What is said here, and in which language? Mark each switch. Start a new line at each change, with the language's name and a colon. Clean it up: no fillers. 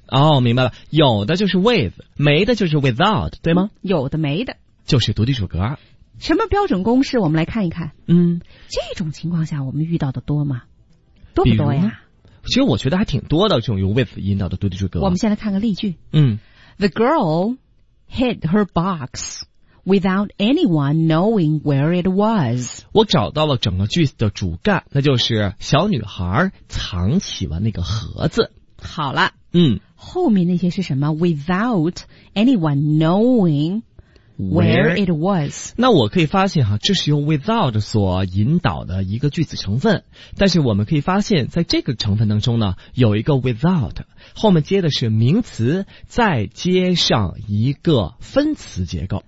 Chinese: 哦，明白了，有的就是 with， 没的就是 without， 对吗？有的没的就是独立主格。什么标准公式？我们来看一看。这种情况下我们遇到的多吗？多不多呀？其实我觉得还挺多的，这种由 with 引导的独立主格。我们先来看个例句。
English: The girl hid her box without anyone knowing where it was.
Chinese: 我找到了整个句子的主干，那就是小女孩藏起了那个盒子。好了，后面那些是什么 ？
English: Without anyone knowing。 Where it was，
Chinese: 那我可以发现哈，这是用 without 所引导的一个句子成分，但是我们可以发现在这个成分当中呢，有一个 without 后面接的是名词，再接上一个分词结构